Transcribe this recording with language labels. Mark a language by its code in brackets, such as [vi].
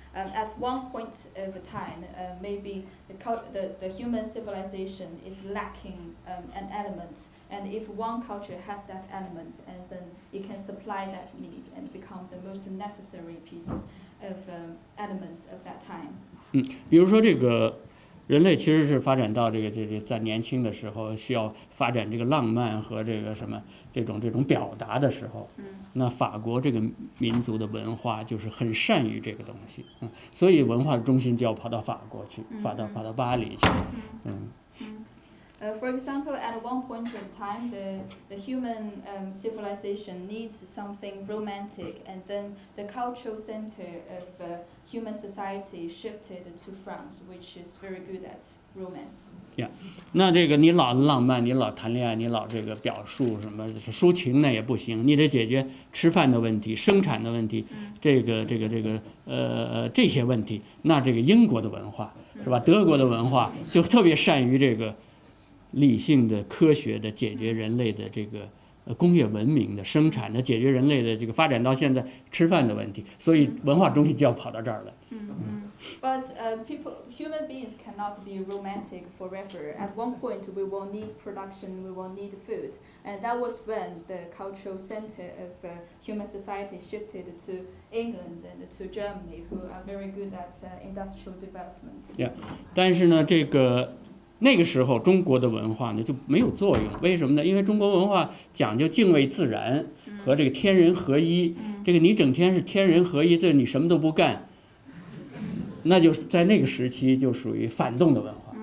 [en] At one point of time, maybe the human civilization is lacking an element. And if one culture has that element, and then it can supply that need and become the most necessary piece of elements of that time. [zh] 比如说这个人类其实是发展到这个在年轻的时候需要发展这个浪漫和这个什么这种表达的时候，那法国这个民族的文化就是很善于这个东西，所以文化的中心就要跑到法国去，跑到巴黎去。 [en] For example, at one point in time, the human civilization needs something romantic, and then the cultural center of human society shifted to France, which is very good at romance. Yeah, [zh] 那这个你老浪漫，你老谈恋爱，你老这个表述什么抒情那也不行，你得解决吃饭的问题、生产的问题，这些问题。那这个英国的文化是吧？德国的文化就特别善于这个理性的、科学的解决人类的这个。工业文明的生产的解决人类的这个发展到现在吃饭的问题，所以文化中心就要跑到这儿来。 [en] 嗯、But human beings cannot be romantic forever. At one point, we will need production, we will need food, and that was when the cultural center of human society shifted to England and to Germany, who are very good at industrial development. Yeah, [zh] 但是呢，这个。那个时候中国的文化呢就没有作用，为什么呢？因为中国文化讲究敬畏自然和这个天人合一，这个你整天是天人合一，这你什么都不干，那就在那个时期就属于反动的文化。